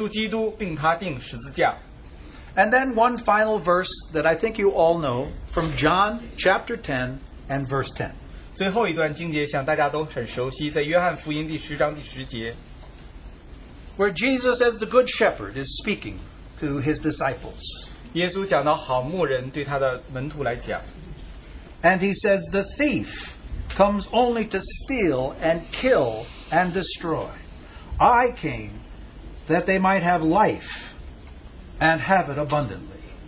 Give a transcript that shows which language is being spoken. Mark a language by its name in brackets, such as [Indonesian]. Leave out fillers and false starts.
[Chinese] 弟兄们，从前我到你们那里去，并没有用高言大志对你们宣传神的奥秘，因我曾定了主意，在你们中间不知道别的，只知道耶稣基督并他钉十字架。And [English] then one final verse that I think you all know from John chapter 10 and verse 10. [Chinese] 最后一段经节想大家都很熟悉，在约翰福音第十章第十节。 [English] Where Jesus as the good shepherd is speaking to his disciples. And he says, the thief comes only to steal and kill and destroy. I came that they might have life and have it abundantly.